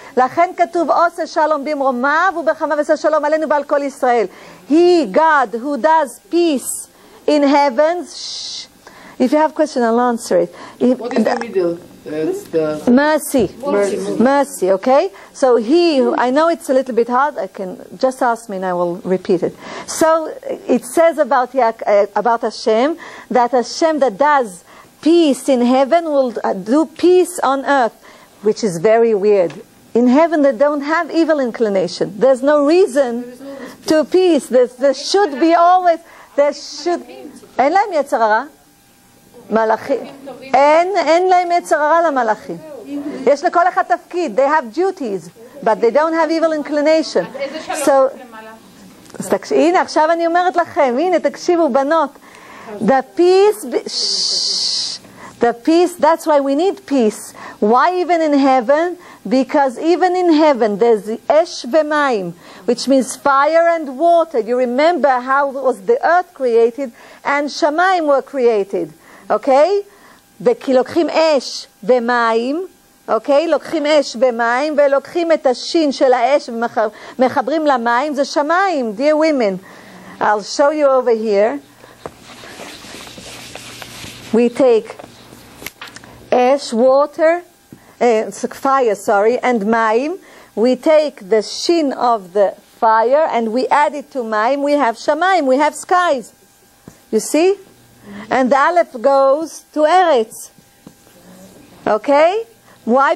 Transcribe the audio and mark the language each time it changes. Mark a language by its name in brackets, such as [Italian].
[Hebrew] לכן כתוב עושה שלום במרומיו ובחמיו עושה שלום עלינו ועל כל ישראל. [English] He, God, who does peace in heavens. If you have a question, I'll answer it. What is the middle? Mercy. Mercy, okay? So he, I know it's a little bit hard, I can just ask me and I will repeat it. So it says about Hashem, that Hashem that does peace in heaven will do peace on earth, which is very weird. In heaven, they don't have evil inclination. There's no reason to peace. There should be always, there should... [Hebrew] אין להם יצר הרע? מלאכים. אין להם יצר הרע למלאכים. יש לכל אחד תפקיד. [English] They have duties, but they don't have evil inclination. [Hebrew] אז איזה שלום יש למעלה? הנה, עכשיו אני אומרת לכם, הנה, תקשיבו, בנות. [English] The peace, that's why we need peace. Why even in heaven? Because even in heaven, there's esh v'maim, which means fire and water. You remember how was the earth created and shamaim were created. [Hebrew] Okay? וכי לוקחים אש ומים, okay? לוקחים אש ומים ולוקחים את השין של האש ומחברים למים, זה שמיים, [English] dear women. I'll show you over here. We take ash, water, fire, sorry, and maim. We take the shin of the fire and we add it to maim. We have shamaim, we have skies. You see? And the aleph goes to eretz. Okay? Why?